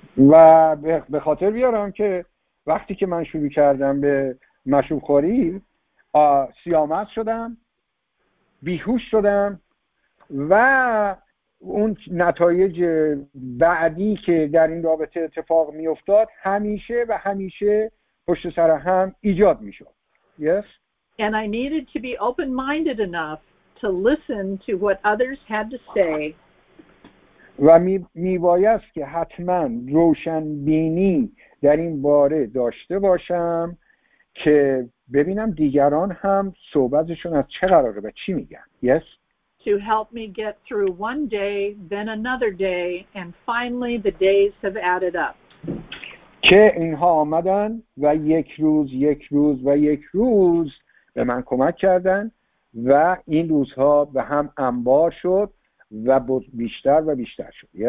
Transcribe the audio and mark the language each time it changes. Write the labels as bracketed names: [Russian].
[Persian] و به خاطر بیارم که وقتی که من شروع کردم به مشروب خوری سیامت شدم بیهوش شدم و اون نتایج بعدی که در این رابطه اتفاق می افتاد همیشه و همیشه پشت سر هم ایجاد می شد. [English] Yes? And I needed to be open-minded enough to listen to what others had to say. [Persian] و می بایست که حتما روشن بینی در این باره داشته باشم که ببینم دیگران هم صحبتشون از چه قراره و چی میگن. [English] Yes? To help me get through one day, then another day, and finally the days have added up. [Persian] که اینها آمدن و یک روز یک روز و یک روز به من کمک کردن و این روزها به هم انبار شد و بیشتر و بیشتر شد.